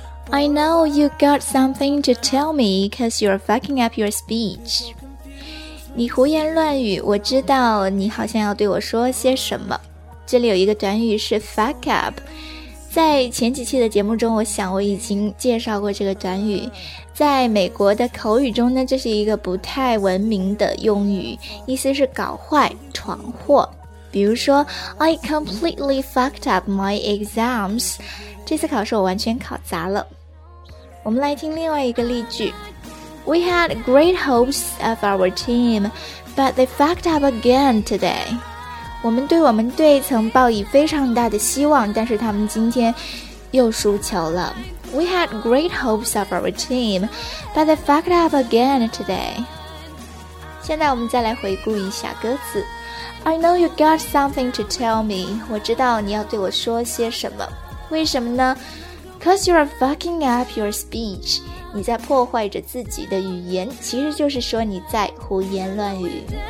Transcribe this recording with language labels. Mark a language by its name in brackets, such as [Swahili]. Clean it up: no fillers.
[English] I know you got something to tell me, cause you're fucking up your speech. [Chinese] 你胡言乱语，我知道你好像要对我说些什么。这里有一个短语是 fuck up。在前几期的节目中，我想我已经介绍过这个短语，在美国的口语中呢，这是一个不太文明的用语，意思是搞坏、闯祸。比如说 [English] I completely fucked up my exams， [Chinese] 这次考试我完全考砸了。我们来听另外一个例句， [English] We had great hopes of our team but they fucked up again today。 [Chinese] 我们对我们队曾抱以非常大的希望，但是他们今天又输球了。 [English] We had great hopes of our team, but they fucked up again today. [Chinese] 现在我们再来回顾一下歌词。 [English] I know you got something to tell me. [Chinese] 我知道你要对我说些什么。为什么呢？ [English] Cause you're fucking up your speech. [Chinese] 你在破坏着自己的语言，其实就是说你在胡言乱语。